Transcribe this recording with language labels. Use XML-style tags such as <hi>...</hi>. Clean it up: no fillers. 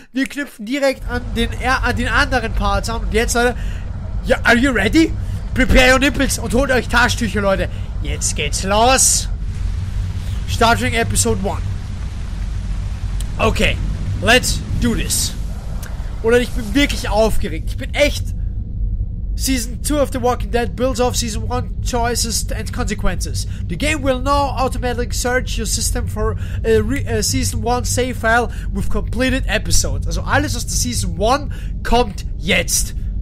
<de>Wir knüpfen direkt an den anderen Parts an und jetzt, Leute, ja,</de> <en>are you ready? Prepare your nipples</en> <de>und holt euch Taschentücher, Leute. Jetzt geht's los.</de> <en>Starting Episode 1. Okay, let's do this.</en> <de>Oder ich bin wirklich aufgeregt. Ich bin echt...</de> <en>Season 2 of The Walking Dead builds off Season 1 choices and consequences. The game will now automatically search your system for a Season 1 save file with completed episodes.</en> <de>Also alles aus der Season 1 kommt jetzt.</de>